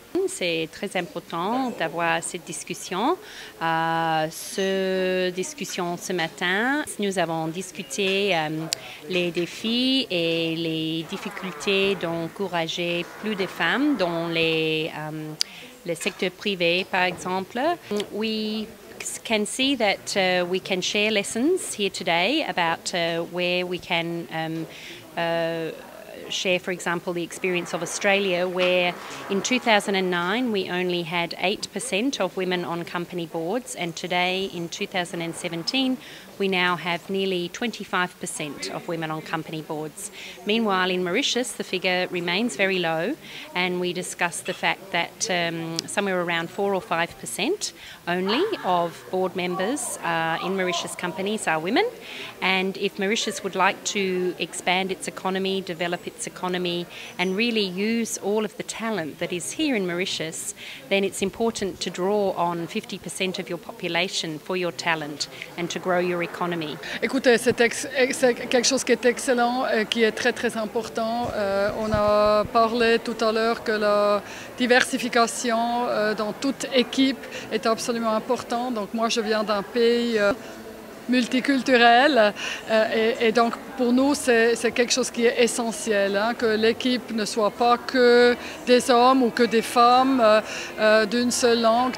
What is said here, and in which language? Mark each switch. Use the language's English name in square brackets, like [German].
[French] C'est très important d'avoir cette discussion. Cette discussion ce matin, nous avons discuté les défis et les difficultés d'encourager plus de femmes dans le secteur privé, par exemple. [English] We can see that we can share lessons here today about where we can share, for example, the experience of Australia, where in 2009 we only had 8% of women on company boards, and today in 2017 we now have nearly 25% of women on company boards. Meanwhile, in Mauritius, the figure remains very low, and we discussed the fact that somewhere around 4 or 5% only of board members in Mauritius companies are women. And if Mauritius would like to expand its economy, develop its economy, and really use all of the talent that is here in Mauritius, then it's important to draw on 50% of your population for your talent and to grow your economy. [French] Écoutez, c'est quelque chose qui est excellent et qui est très très important. On a parlé tout à l'heure que la diversification dans toute équipe est absolument importante. Donc moi, je viens d'un pays multiculturel et donc pour nous c'est quelque chose qui est essentiel, hein, que l'équipe ne soit pas que des hommes ou que des femmes d'une seule langue.